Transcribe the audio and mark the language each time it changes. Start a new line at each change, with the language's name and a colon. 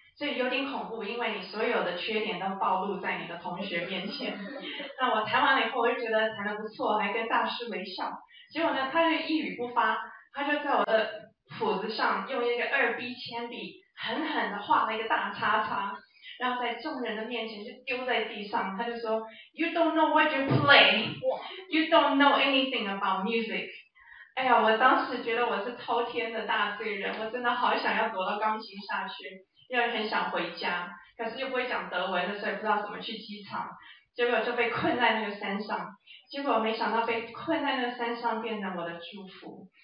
Chinese: 所以有点恐怖，因为你所有的缺点都暴露在你的同学面前。那我弹完了以后，我就觉得弹得不错，还跟大师微笑。结果呢，他就一语不发，他就在我的谱子上用一个2B 铅笔狠狠地画了一个大叉叉，然后在众人的面前就丢在地上。
English: 他就说 ：“You don't know what you play. You don't know anything about music.”
Chinese: 哎呀，我当时觉得我是滔天的大罪人，我真的好想要躲到钢琴下去。又很想回家，可是又不会讲德文，所以不知道怎么去机场，结果就被困在那个山上。结果没想到被困在那个山上变成我的祝福。